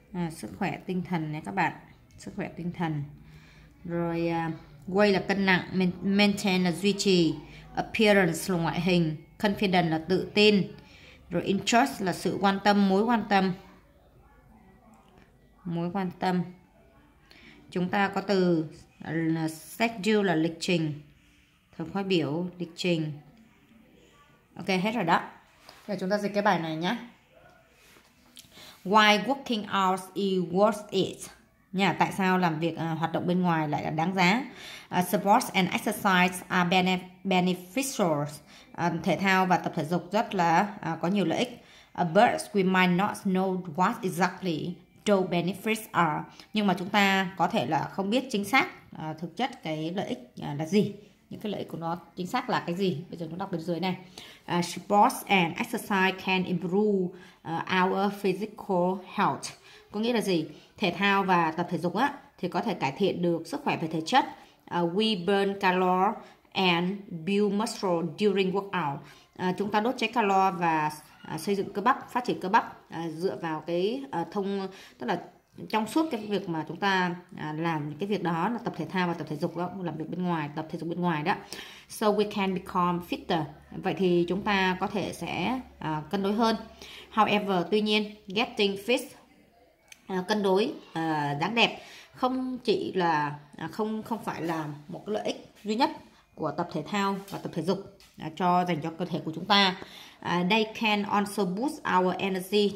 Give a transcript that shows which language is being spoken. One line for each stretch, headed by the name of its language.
Vietnamese: Sức khỏe tinh thần này các bạn. Sức khỏe tinh thần. Rồi weight là cân nặng, maintain là duy trì, appearance là ngoại hình, confidence là tự tin, rồi interest là sự quan tâm, mối quan tâm. Chúng ta có từ schedule là lịch trình, thời khóa biểu lịch trình. Ok, hết rồi đó. Giờ chúng ta dịch cái bài này nhé.
English: Why working out is worth it?
Vietnamese: Nhà tại sao làm việc hoạt động bên ngoài lại là đáng giá?
English: Sports and exercise are beneficial.
Vietnamese: Thể thao và tập thể dục rất là có nhiều lợi ích.
English: But we might not know what exactly true benefits are,
Vietnamese: nhưng mà chúng ta có thể là không biết chính xác thực chất cái lợi ích là gì, những cái lợi ích của nó chính xác là cái gì. Bây giờ chúng đọc bên dưới này.
English: Sports and exercise can improve our physical health.
Vietnamese: Có nghĩa là gì? Thể thao và tập thể dục á thì có thể cải thiện được sức khỏe về thể chất.
English: We burn calories and build muscle during workout.
Vietnamese: Chúng ta đốt cháy calo và xây dựng cơ bắp, phát triển cơ bắp dựa vào cái thông, tức là trong suốt cái việc mà chúng ta làm cái việc đó là tập thể thao và tập thể dục đó, làm việc bên ngoài, tập thể dục bên ngoài đó.
English: So we can become fitter.
Vietnamese: Vậy thì chúng ta có thể sẽ cân đối hơn.
English: However,
Vietnamese: tuy nhiên,
English: getting fit,
Vietnamese: cân đối, dáng đẹp không chỉ là không phải là một cái lợi ích duy nhất của tập thể thao và tập thể dục cho dành cho cơ thể của chúng ta.
English: They can also boost our energy.